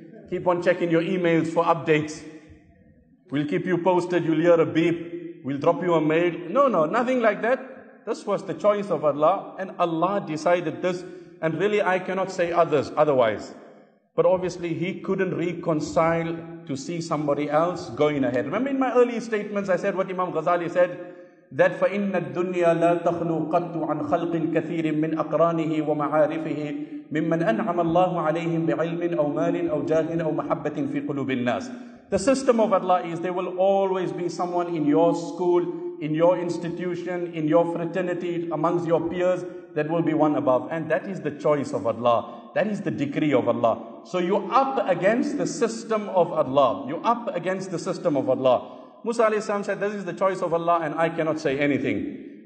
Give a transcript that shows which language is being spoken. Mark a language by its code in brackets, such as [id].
[en] Keep on checking your emails for updates. We'll keep you posted. You'll hear a beep. We'll drop you a mail. No, nothing like that. This was the choice of Allah, and Allah decided this, and really I cannot say otherwise. But obviously he couldn't reconcile to see somebody else going ahead. Remember in my early statements I said what Imam Ghazali said, that [ar] فَإِنَّ الدُّنْيَا لَا تَخْلُو قَطُّ عَنْ خَلْقٍ كَثِيرٍ مِّنْ أَقْرَانِهِ وَمَعَارِفِهِ مِمَّنْ أَنْعَمَ اللَّهُ عَلَيْهِمْ بِعِلْمٍ أَوْ مَالٍ أَوْ جَاهٍ أَوْ مَحَبَّةٍ فِي قُلُوبِ النَّاسِ. [en] The system of Allah is there will always be someone in your school, in your institution, in your fraternity, amongst your peers, that will be one above. And that is the choice of Allah. That is the decree of Allah. So you're up against the system of Allah. You're up against the system of Allah. Musa alayhi salam said, this is the choice of Allah and I cannot say anything.